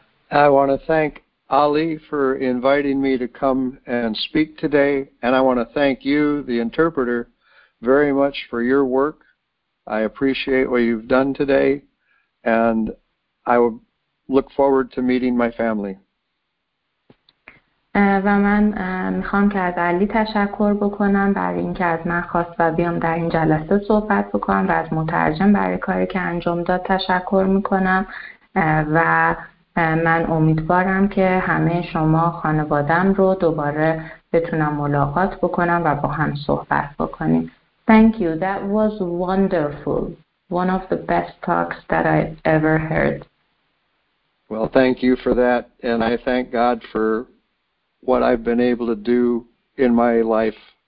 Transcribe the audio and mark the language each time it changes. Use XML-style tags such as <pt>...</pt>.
<en>I want to thank Ali for inviting me to come and speak today, and I want to thank you, the interpreter, very much for your work. I appreciate what you've done today, and I will look forward to meeting my family.</en> <fa>و من میخوام که از علی تشکر بکنم برای اینکه از من خواست و بیام در این جلسه صحبت بکنم و از مترجم برای کاری که انجام داد تشکر میکنم و من امیدوارم که همه شما خانوادم رو دوباره بتونم ملاقات بکنم و با هم صحبت بکنیم.</fa> <en>Thank you. That was wonderful. One of the best talks that I ever heard. Well, thank you for that. And I thank God for what I've been able to do in my life.</en>